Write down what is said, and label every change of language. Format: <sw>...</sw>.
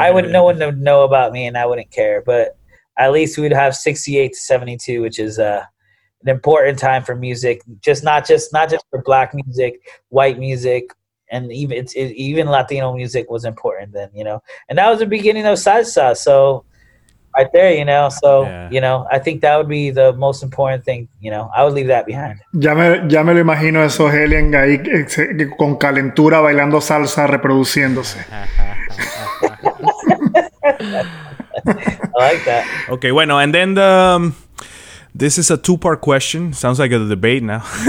<en>No one would know about me, and I wouldn't care. But at least we'd have 68 to 72, which is an important time for music, not just for black music, white music, and even Latino music was important then, you know. And that was the beginning of salsa, so right there, you know. So, yeah. You know, I think that would be the most important thing, you know. I would leave that behind.</en> <es>Ya me lo imagino esos aliens ahí con calentura bailando salsa reproduciéndose.</es> <en>I like that. Okay, bueno, and then this is a two-part question. Sounds like a debate now.</en>